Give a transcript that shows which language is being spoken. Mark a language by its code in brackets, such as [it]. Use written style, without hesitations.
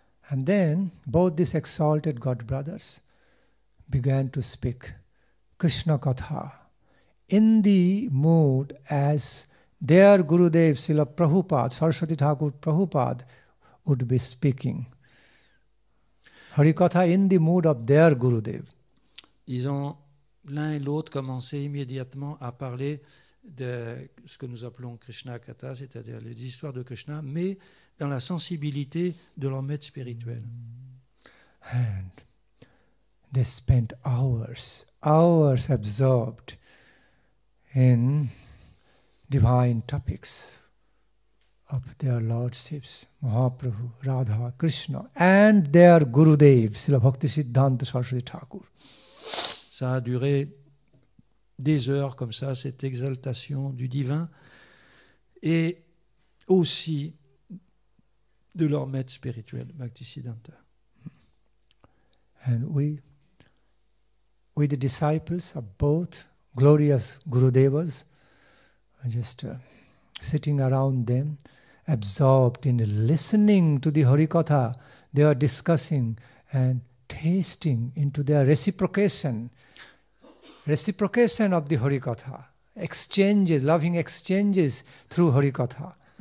[en] And then, both these exalted God brothers began to speak Krishna Katha in the mood as their Gurudev, Srila Prabhupada, Saraswati Thakur Prabhupada, would be speaking Harikatha in the mood of their Gurudev. [fr] Ils ont l'un et l'autre commencé immédiatement à parler de ce que nous appelons Krishna Katha, c'est-à-dire les histoires de Krishna, mais dans la sensibilité de leur maître spirituel. [en] And they spent hours absorbed in divine topics of their lordships, Mahaprabhu, Radha, Krishna, and their Gurudev, Srila Bhakti Siddhanta Saraswati Thakur. [fr] Ça a duré des heures comme ça, cette exaltation du divin, et aussi de leur maître spirituel, Bhaktisiddhanta. [en] And we the disciples of both glorious Gurudevas, just sitting around them, absorbed in listening to the Harikatha they are discussing and tasting into their reciprocation of the Harikatha, exchanges, loving exchanges through Harikatha.